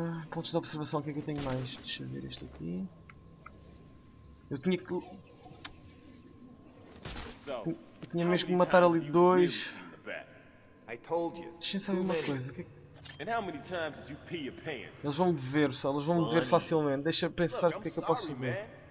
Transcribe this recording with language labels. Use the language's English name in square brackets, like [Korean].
[Portuguese] Pontos de observação, o que é que eu tenho mais? Deixa eu ver este aqui. Eu tinha que... Eu tinha mesmo que matar ali dois. Deixa eu saber uma coisa, o que é que... [English] And how many times did you pee your pants? [Portuguese] Eles vão me ver pessoal, eles vão me ver facilmente, deixa eu pensar o que é que eu posso fazer.